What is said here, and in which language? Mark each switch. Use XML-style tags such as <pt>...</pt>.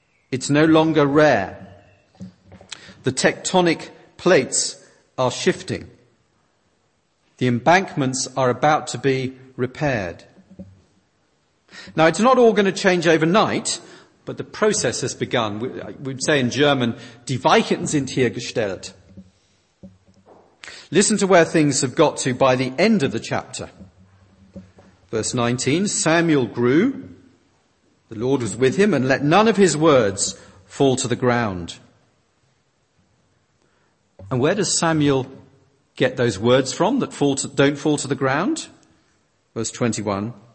<en>It's no longer rare. The tectonic plates are shifting. The embankments are about to be repaired. Now, it's not all going to change overnight, but the process has begun. We'd say in German,</en> <de>die Weichen sind hier gestellt.</de> <en>Listen to where things have got to by the end of the chapter. Verse 19, Samuel grew. The Lord was with him, and let none of his words fall to the ground. And where does Samuel get those words from that don't fall to the ground? Verse 21.</en>